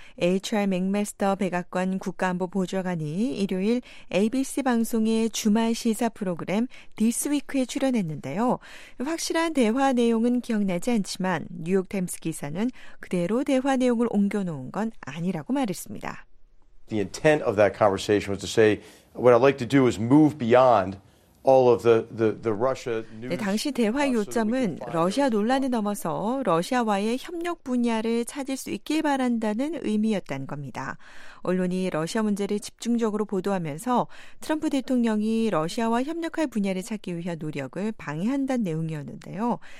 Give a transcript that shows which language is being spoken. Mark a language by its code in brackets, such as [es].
[ko] HR 맥메스터 백악관 국가안보보좌관이 일요일 ABC 방송의 주말 시사 프로그램 디스위크에 출연했는데요. 확실한 대화 내용은 기억나지 않지만 뉴욕타임스 기사는 그대로 대화 내용을 옮겨놓은 건 아니라고 말했습니다. [en] The intent of that conversation was to say what I'd like to do is move beyond all of the Russia news. [ko] 네, 당시 대화 요점은 러시아 논란을 넘어서 러시아와의 협력 분야를 찾을 수 있길 바란다는 의미였다는 겁니다. 언론이 러시아 문제를 집중적으로 보도하면서 트럼프 대통령이 러시아와 협력할 분야를 찾기 위한 노력을 방해한다는 내용이었는데요.